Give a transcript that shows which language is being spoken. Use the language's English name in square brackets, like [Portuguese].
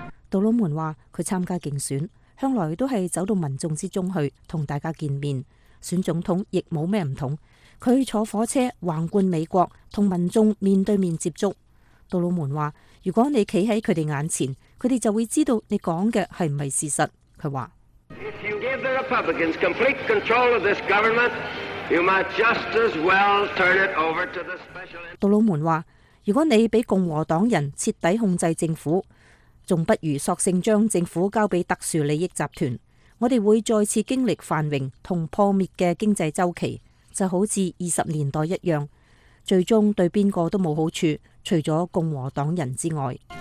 [Chinese] 杜鲁门说，他参加竞选向来都是走到民众之中去跟大家见面，选总统亦没什么不同，他坐火车横贯美国跟民众面对面接触。杜鲁门说，如果你站在他们眼前，他们就会知道你说的是不是事实。他说， [English] If you give the Republicans complete control of this government, you might just as well turn it over to the special interest。 [Chinese] 杜鲁门说，如果你被共和党人彻底控制政府，还不如索性将政府交给特殊利益集团，我们会再次经历繁荣和破灭的经济周期，就好像20年代一样，最终对边个都没有好处，除了共和党人之外。